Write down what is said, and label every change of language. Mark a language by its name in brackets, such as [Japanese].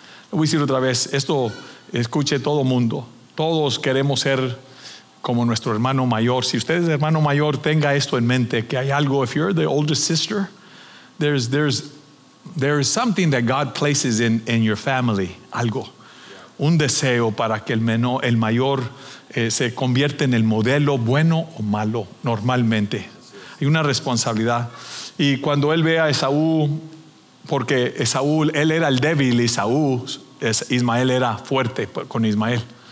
[Spanish] Voy a decir otra vez, esto escuche todo mundo. Todos queremos ser como nuestro hermano mayor. Si usted es hermano mayor, tenga esto en mente, que hay algo. [English] If you're the oldest sister, there's something that God places in your family, [Spanish] algo. Un deseo para que el mayor se convierta en el modelo, bueno o malo, normalmente. Hay una responsabilidad. Y cuando él ve a Esaú, porque Esaú, él era el débil, Ismael era fuerte con Ismael.